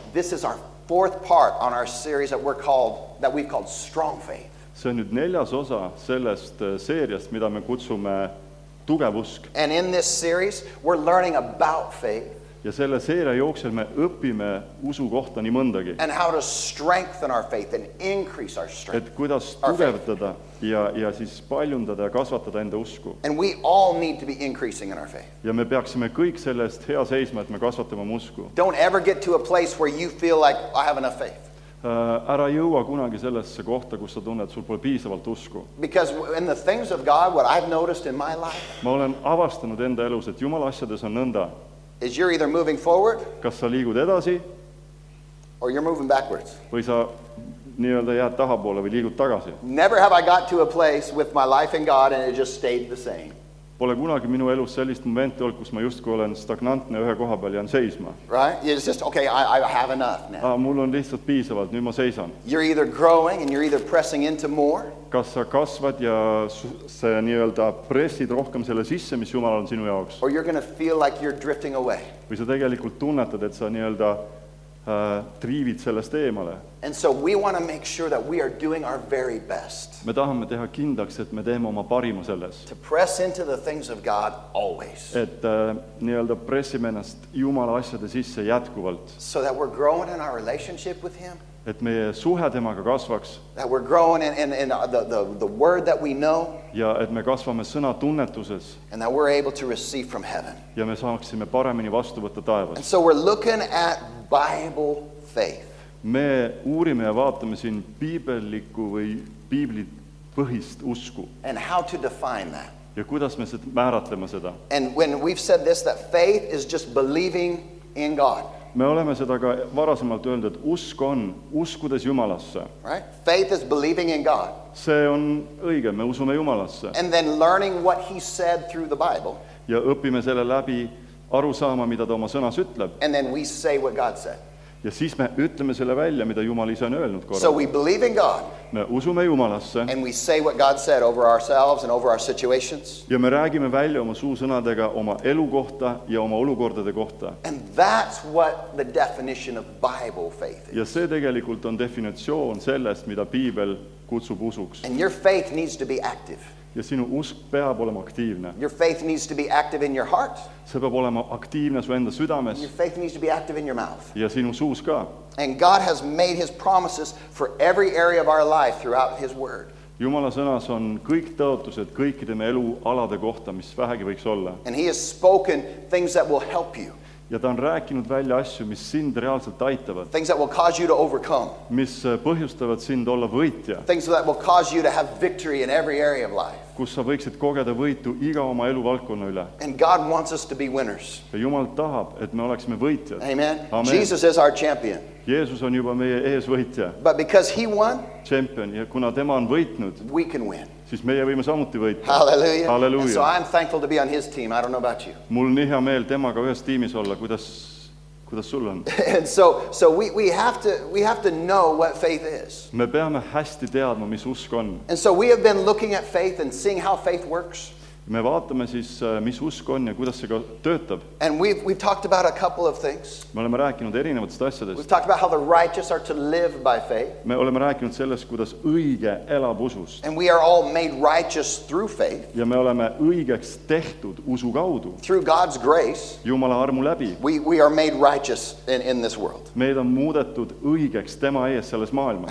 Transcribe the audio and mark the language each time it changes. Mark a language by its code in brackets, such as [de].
[en] This is our fourth part on our series that we've called Strong Faith. [et] See on nüüd neljas osa sellest seeriast, mida me kutsume tugevusk. [en] And in this series, we're learning about faith. [et] Ja selle seeria jooksul me õpime usu kohta nii mõndagi. [en] And how to strengthen our faith and increase our strength. [et] Et kuidas tugevdada ja siis paljundada ja kasvatada enda usku. [en] And we all need to be increasing in our faith. [et] Ja me peaksime kõik sellest hea seisma, et me kasvatame usku. [en] Don't ever get to a place where you feel like I have enough faith. [et] Ära jõua kunagi sellesse kohta, kus sa tunned, et sul pole piisavalt usku. [en] Because in the things of God, what I've noticed in my life, [et] ma olen avastanud enda elus, et Jumala asjades on nõnda. [en] Is you're either moving forward, [et] kas sa liigud edasi, [en] or you're moving backwards. [et] Või sa nii-öelda jääd tahapoole või liigud tagasi. [en] Never have I got to a place with my life in God and it just stayed the same. [et] Pole kunagi minu elus sellist momenti olnud, kus ma justkui olen stagnantne ühe koha peal jään seisma. [en] Right? It's just, okay, I have enough now. [et] Mul on lihtsalt piisavalt, nüüd ma seisan. [en] You're either growing and you're either pressing into more. [et] Kas sa kasvad ja sa nii-öelda pressid rohkem selle sisse, mis Jumal on sinu jaoks. [en] Or you're going to feel like you're drifting away. [et] Või sa tegelikult tunnetad, et sa nii-öelda triivid sellest eemale. [en] And so we want to make sure that we are doing our very best. [et] Me tahame teha kindlaks, et me teeme oma parima selles. [en] To press into the things of God always. [et] Et nii-öelda pressime ennast Jumala asjade sisse jätkuvalt. [en] So that we're growing in our relationship with Him. [et] Et meie suhe temaga kasvaks. [en] That we're growing in the word that we know. [et] Ja et me kasvame sõna tunnetuses. [en] And that we're able to receive from heaven. [et] Ja me saaksime paremini vastu võtta taevast. [en] And so we're looking at Bible faith. [et] Me uurime ja vaatame siin piibelliku või piibli põhist usku. [en] And how to define that. [et] Ja kuidas me seda määratleme seda. [en] And when we've said this, that faith is just believing in God. [et] Me oleme seda ka varasemalt öelnud, et usk on uskudes Jumalasse. [en] Right? Faith is believing in God. [et] See on õige, me usume Jumalasse. [en] And then learning what he said through the Bible. [et] Ja õpime selle läbi aru saama, mida ta oma sõnas ütleb. [en] And then we say what God said. [et] Ja siis me ütleme selle välja, mida Jumal ise on öelnud korra. [en] So we believe in God. [et] Me usume Jumalasse. [en] And we say what God said over ourselves and over our situations. [et] Ja me räägime välja oma suusõnadega oma elukohta ja oma olukordade kohta. [en] And that's what the definition of Bible faith is. [et] Ja see tegelikult on definitsioon sellest, mida Piibel kutsub usuks. [en] And your faith needs to be active. [et] Ja sinu usk peab olema aktiivne. [en] Your faith needs to be active in your heart. [et] See peab olema aktiivne su enda südames. [en] Your faith needs to be active in your mouth. [et] Ja sinu suus ka. [en] And God has made his promises for every area of our life throughout his word. [et] Jumala sõnas on kõik tõotused kõikide me elu alade kohta, mis vähegi võiks olla. [en] And he has spoken things that will help you. [et] Ja ta on rääkinud välja asju, mis sind reaalselt aitavad. [en] Things that will cause you to overcome. [et] Mis põhjustavad sind olla võitja. [en] Things that will cause you to have victory in every area of life. [et] Kus sa võiksid kogeda võitu iga oma elu valdkonna üle. [en] And God wants us to be winners. [et] Ja Jumal tahab, et me oleksime võitjad. [en] Amen. Amen. Jesus is our champion. [et] Jeesus on juba meie ees võitja. [en] But because he won, [et] champion, ja kuna tema on võitnud, [en] we can win. [et] Siis meie võime samuti võita. [en] Hallelujah. [et] Hallelujah. [en] And so I'm thankful to be on his team. I don't know about you. [et] Mul nii hea meel temaga ühes tiimis olla. Kuidas sul on? [en] And so we have to know what faith is. [et] Me peame hästi teadma, mis usk on. [en] And so we have been looking at faith and seeing how faith works. [et] Me vaatame siis, mis usk on ja kuidas see ka töötab. [en] And we've talked about a couple of things. [et] Me oleme rääkinud erinevatest asjadest. [en] We've talked about how the righteous are to live by faith. [et] Me oleme rääkinud sellest, kuidas õige elab usust. [en] And we are all made righteous through faith. [et] Ja me oleme õigeks tehtud usu kaudu. [en] Through God's grace. [et] Jumala armu läbi. [en] We are made righteous in this world. [et] Meid on muudetud õigeks tema ees selles maailmas.